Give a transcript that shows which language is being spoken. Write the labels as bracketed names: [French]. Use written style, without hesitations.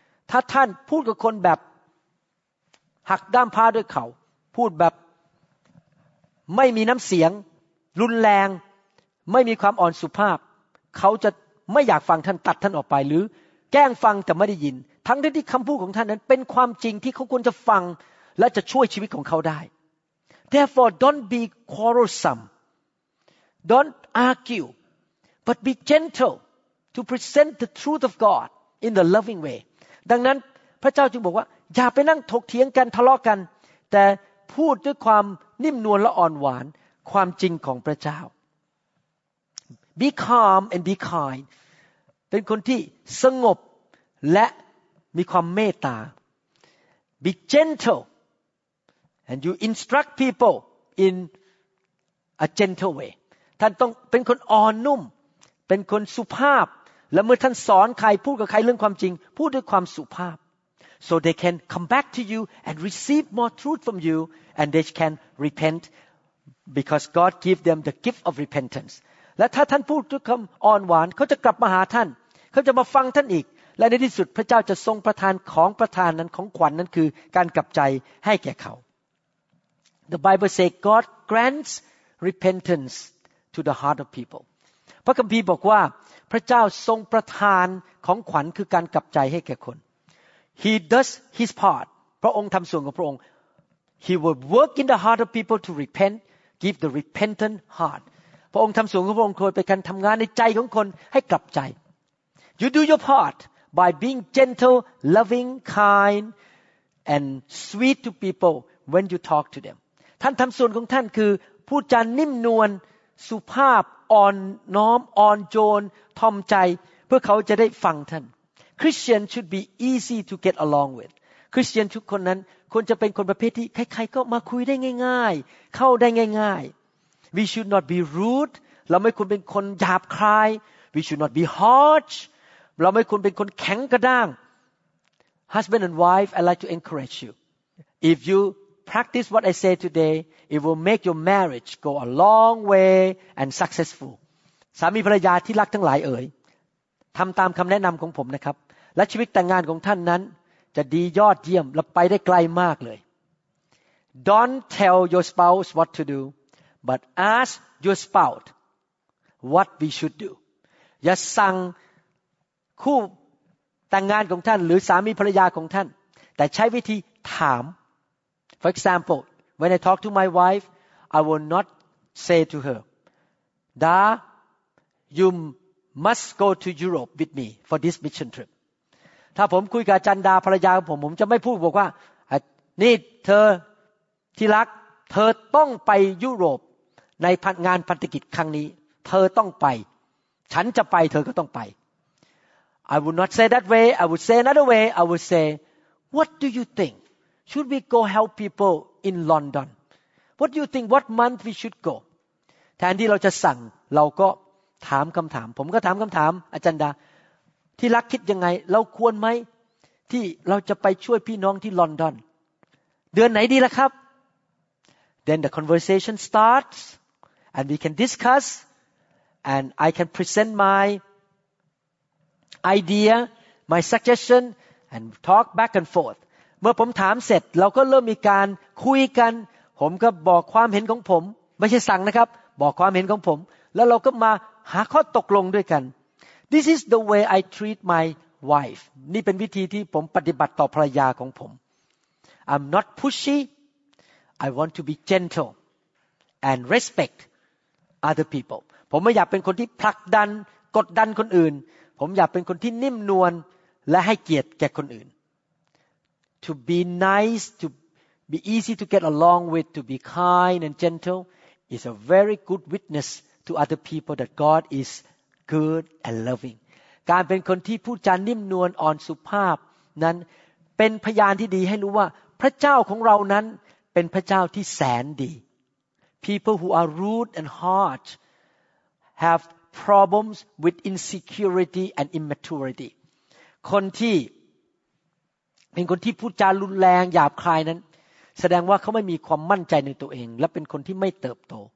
[Thai] ถ้าท่านพูดกับคนแบบหักด้ามพ้าด้วยเขาพูดแบบไม่มีน้ำเสียงรุนแรงไม่มีความอ่อนสุภาพเขาจะไม่อยากฟังท่านตัดท่านออกไปหรือแกล้งฟังแต่ไม่ได้ยินทั้งที่คำพูดของท่านนั้นเป็นความจริงที่เขาควรจะฟังและจะช่วยชีวิตของเขาได้ [English] Therefore, don't be quarrelsome. Don't argue. But be gentle to present the truth of God in the loving way. [Thai] ดังนั้นพระเจ้าจึงบอกว่าอย่าไปนั่งถกเถียงกันทะเลาะกันแต่พูดด้วยความนิ่มนวลและอ่อนหวานความจริงของพระเจ้า [English] Be calm and be kind. [Thai] เป็นคนที่สงบและมีความเมตตา [English] Be gentleAnd you instruct people in a gentle way. [Thai] ท่านต้องเป็นคนอ่อนนุ่มเป็นคนสุภาพและเมื่อท่านสอนใครพูดกับใครเรื่องความจริงพูดด้วยความสุภาพ [English] so they can come back to you and receive more truth from you, and they can repent because God give them the gift of repentance. [Thai] และถ้าท่านพูดด้วยคำอ่อนหวานเขาจะกลับมาหาท่านเขาจะมาฟังท่านอีกและในที่สุดพระเจ้าจะทรงประทานของประทานนั้นของขวัญนั้นคือการกลับใจให้แก่เขา [English] The Bible says God grants repentance to the heart of people. [Thai] พระคัมภีร์บอกว่าพระเจ้าทรงประทานของขวัญคือการกลับใจให้แก่คน [English] He does his part. [Thai] พระองค์ทำส่วนของพระองค์ [English] He will work in the heart of people to repent, give the repentant heart. [Thai] พระองค์ทำส่วนของพระองค์โดยไปการทำงานในใจของคนให้กลับใจ [English] You do your part by being gentle, loving, kind, and sweet to people when you talk to them. [Thai] ท่านทำส่วนของท่านคือพูดจานิ่มนวลสุภาพอ่อนน้อมอ่อนโยนทอมใจเพื่อเขาจะได้ฟังท่าน [English] Christian should be easy to get along with. [Thai] Christian ทุกคนนั้นควรจะเป็นคนประเภทที่ใครๆก็มาคุยได้ง่ายๆเข้าได้ง่ายๆ [English] We should not be rude. [Thai] เราไม่ควรเป็นคนหยาบคาย [English] We should not be harsh. [Thai] เราไม่ควรเป็นคนแข็งกระด้าง [English] Husband and wife, I'd like to encourage you. If you practice what I say today, it will make your marriage go a long way and successful. [Thai] สามีภรรยาที่รักทั้งหลายเอ๋ยทำตามคำแนะนำของผมนะครับและชีวิตแต่งงานของท่านนั้นจะดียอดเยี่ยมและไปได้ไกลมากเลย [English] Don't tell your spouse what to do. But ask your spouse what we should do. [Thai] อย่าสั่งคู่แต่งงานของท่านหรือสามีภรรยาของท่านแต่ใช้วิธีถาม [English] For example, when I talk to my wife, I will not say to her, "Da, you must go to Europe with me for this mission trip." [Thai] ถ้าผมคุยกับจันดาภรรยาของผมจะไม่พูดบอกว่านี่เธอที่รักเธอต้องไปยุโรปในงานพันธกิจครั้งนี้เธอต้องไปฉันจะไปเธอก็ต้องไป [English] I would not say that way I would say another way I would say what do you think should we go help people in London what do you think what month we should go [Thai] แทนที่เราจะสั่งเราก็ถามคำถามผมก็ถามคำถามอาจารย์ดาที่รักคิดยังไงเราควรไหมที่เราจะไปช่วยพี่น้องที่ลอนดอนเดือนไหนดีล่ะครับ [English] Then the conversation starts, and we can discuss, and I can present my idea, my suggestion, and talk back and forth. [Thai] เมื่อผมถามเสร็จเราก็เริ่มมีการคุยกันผมก็บอกความเห็นของผมไม่ใช่สั่งนะครับบอกความเห็นของผมแล้วเราก็มาหาข้อตกลงด้วยกัน [English] This is the way I treat my wife. [Thai] นี่เป็นวิธีที่ผมปฏิบัติต่อภรรยาของผม [English] I'm not pushyI want to be gentle and respect other people. [Thai] ผมไม่อยากเป็นคนที่ผลักดันกดดันคนอื่นผมอยากเป็นคนที่นิ่มนวลและให้เกียรติแก่คนอื่น [English] To be nice, to be easy to get along with, to be kind and gentle is a very good witness to other people that God is good and loving. [Thai] การเป็นคนที่พูดจานิ่มนวลอ่อนสุภาพนั้นเป็นพยานที่ดีให้รู้ว่าพระเจ้าของเรานั้นเป็นพระเจ้าที่แสนดี [English] People who are rude and harsh have problems with insecurity and immaturity. [Thai] คนที่เป็นคนที่พูดจารุนแรงหยาบคายนั้นแสดงว่าเขาไม่มีความมั่นใจในตัวเองและเป็นคนที่ไม่เติบโต